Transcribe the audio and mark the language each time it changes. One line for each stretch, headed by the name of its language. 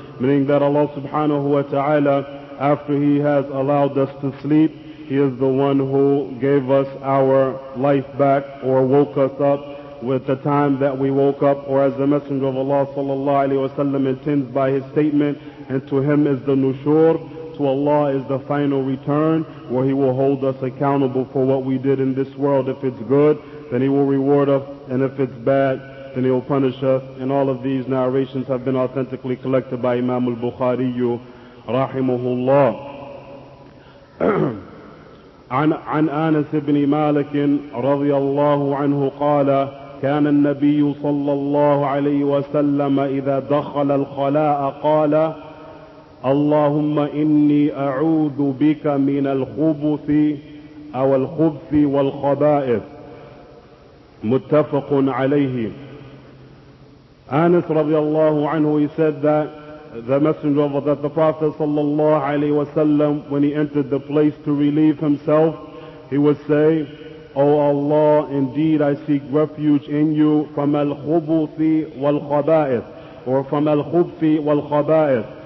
English: Meaning that Allah subhanahu wa ta'ala, after he has allowed us to sleep, he is the one who gave us our life back, or woke us up with the time that we woke up, or as the Messenger of Allah sallallahu alayhi wa sallam intends by his statement, and to him is the nushur, to Allah is the final return, where he will hold us accountable for what we did in this world. If it's good, then he will reward us, and if it's bad, then he will punish us. And all of these narrations have been authentically collected by Imam al-Bukhari rahimahullah.
Arabic: عن آنس بن مالك رضي الله عنه قال كان النبي صلى الله عليه وسلم إذا دخل الخلاء قال اللهم إني أعوذ بك من الخبث أو الخبث والخبائث. متفق عليه.
English: Anas رضي الله عنه said that the messenger of that the Prophet sallallahu alayhi wa sallam, when he entered the place to relieve himself, he would say, O Allah, indeed I seek refuge in you from al-khubuthi wal-khaba'ith, or from al-khubuthi wal-khaba'ith.